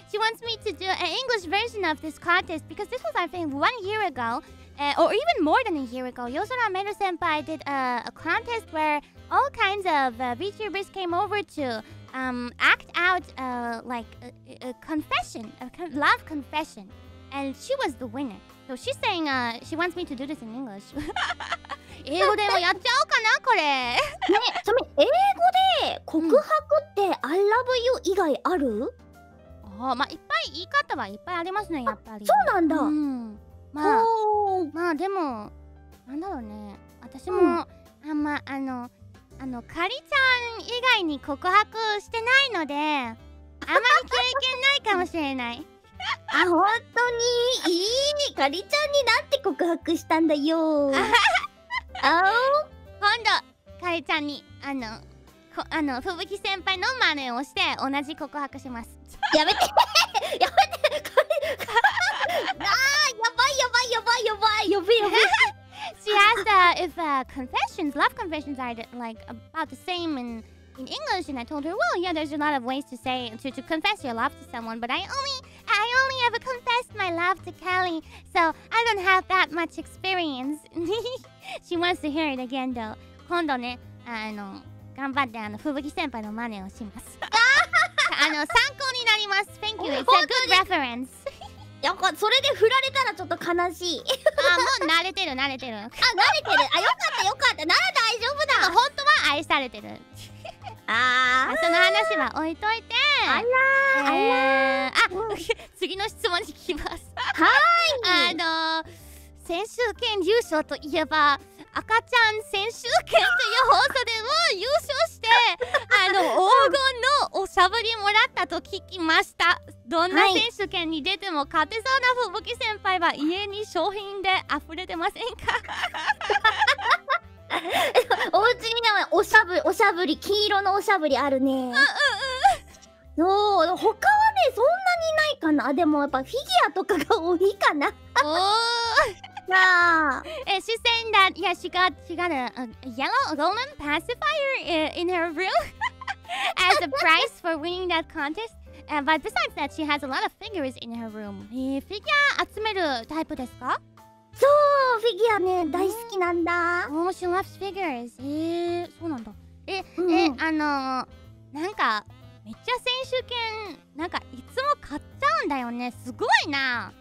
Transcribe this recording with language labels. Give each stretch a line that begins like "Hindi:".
English: She wants me to do an English version of this contest because this was, I think, 1 year ago, or even more than a year ago. Yosora Meru Senpai did a contest where. All kinds of VTubers came over to act out like a confession, a love confession. And she was the winner. So she's saying, she wants me to do this in English.
Japanese: 英語でもやっちゃおうかな、これ。ね、ちなみに英語で告白って、うん、
English: I love you
Japanese: 以外ある？あ、まあいっぱい言い方はいっぱいありますね、やっぱり。そうなんだ。うん、まあ、まあでも、なんだろうね。私も、うん、あんま、あの、カリちゃん以外に告白してないので、あまり経験ないかもしれない。あ、ほんとに。いいね。カリちゃんになって告白したんだよ。あお今度、カリちゃんに、あの、ふぶき先輩の真似をして、同じ告白します。やめてやめてカリあー、やばいやばいやばいやばいやばいやばい。
English: She asked if confessions, love confessions are like about the same in English, and I told her, well, yeah, there's a lot of ways to say, to confess your love to someone, but I only ever confessed my love to Kelly, so I don't have that much experience. She wants to hear it again, though.
Japanese: 今度ね、頑張って、ふぶき先輩の真似をします。参考になります。
English: Thank you. It's a good reference.
Japanese: やっぱそれで振られたらちょっと悲しい。あ、もう慣れてる慣れてる。あ、慣れてる。あ、よかったよかった。なら大丈夫だ。本当は愛されてる。あー、その話は置いといて。あらー、あ、次の質問に聞きます。はい。先週兼優勝といえば、赤ちゃん先週兼という放送でも優勝して黄金のおしゃぶりもらったと聞きました。どんな選手権に出ても勝てそうな。ふぶき先輩は家に商品で溢れてませんか？お家にはおしゃぶり、おしゃぶり、黄色のおしゃぶりあるね。うんうんうん。他はね、そんなにないかな。でもやっぱフィギュアとかが多いかな。おー
English: Nah. She's saying that, yeah, she got a yellow golden pacifier in her room as a prize for winning that contest. But besides that, she has a lot of figures in her room.
Japanese: フィギュア集めるタイプですか？そう、フィギュアね、大好きなんだ。
English: Oh, she loves figures.
Japanese: そうなんだ。なんか、めっちゃ選手権、なんかいつも買っちゃうんだよね。すごいな。